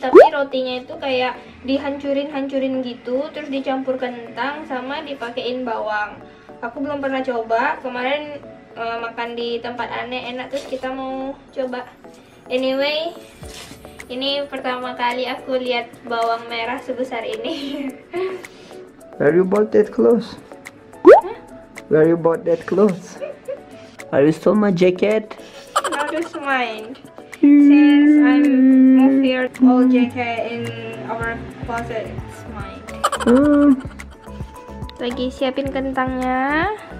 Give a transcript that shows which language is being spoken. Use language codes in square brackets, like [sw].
[id] Tapi rotinya itu kayak dihancurin-hancurin gitu, terus dicampur kentang sama dipakein bawang. Aku belum pernah coba. Kemarin makan di tempat aneh enak, terus kita mau coba. Anyway, ini pertama kali aku lihat bawang merah sebesar ini. [en] Where you bought that close? Huh? Where you bought that clothes? Are you still my jacket? Not just mine. Since I moved here, all jacket in our closet is mine. [id] Lagi siapin kentangnya.